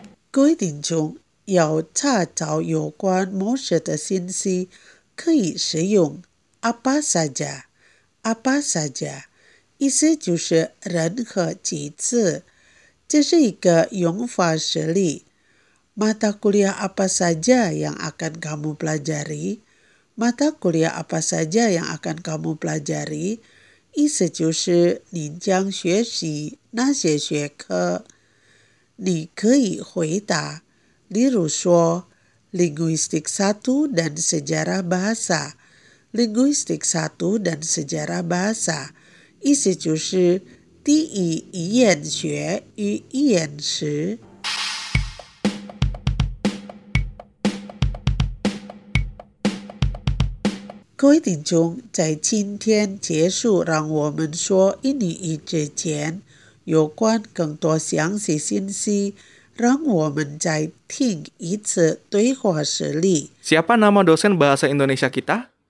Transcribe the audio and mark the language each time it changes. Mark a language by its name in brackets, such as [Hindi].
[Chinese] 各位听众，要查找有关某事的信息，可以使用 [Indonesian] apa saja, apa saja, [Chinese] 意思就是任何几次。这是一个用法实例。 [Indonesian] Mata kuliah apa saja yang akan kamu pelajari? Mata kuliah apa saja yang akan kamu pelajari? [Chinese] 意思就是您将学习哪些学科。你可以回答，例如说 [Indonesian] Linguistik 1 dan Sejarah Bahasa， [Chinese] Linguistik 1 dan Sejarah Bahasa， 意思就是第一语言学与语言史。各位听众，在今天结束让我们说印尼语之前，有关更多详细信息，让我们再听一次对话实例。 [Indonesian] Siapa nama dosen bahasa Indonesia kita?